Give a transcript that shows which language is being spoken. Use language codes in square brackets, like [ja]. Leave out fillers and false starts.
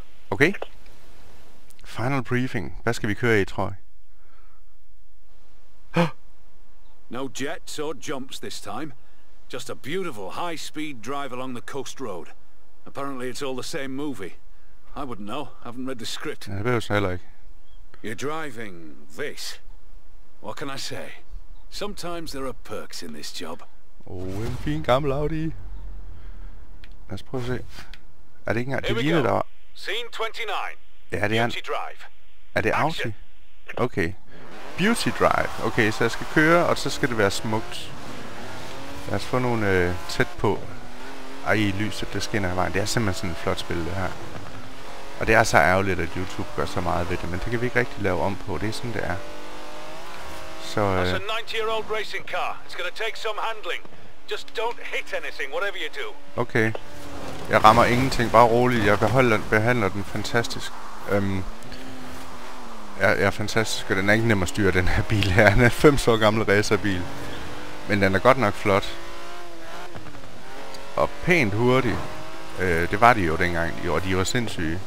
[da] Okay. [en] Final briefing. [da] Hvad skal vi køre i, tror jeg? [en] No jets or jumps this time. Just a beautiful high-speed drive along the coast road. Apparently it's all the same movie. I wouldn't know. I haven't read the script. Yeah, it was I like. You're driving this. What can I say? Sometimes there are perks in this job. [da] Oh, en fin gammel Audi. Lad's prøve at se. Er det ikke engang det ligner der? [en] Scene 29. [da] Ja, det er [en] Beauty Drive. [da] Er det Audi? Okay. Beauty Drive. Okay, så jeg skal køre, og så skal det være smukt. Lad os få nogle tæt på. Ej, lyset, det skinner af vejen. Det er simpelthen sådan et flot spil, det her. Og det er så ærgerligt, at YouTube gør så meget ved det, men det kan vi ikke rigtig lave om på. Det er sådan, det er. Så [en] That's a 90-year-old racing car. It's gonna take some handling. Just don't hit anything, whatever you do. [da] Okay. Jeg rammer ingenting. Bare roligt. Jeg behandler den fantastisk. Jeg er fantastisk, og den er ikke nem at styre, den her bil her. Den er 5 år gammel racerbil. Men den er godt nok flot. Og pænt hurtig. Det var de jo dengang. Jo, de var sindssyge.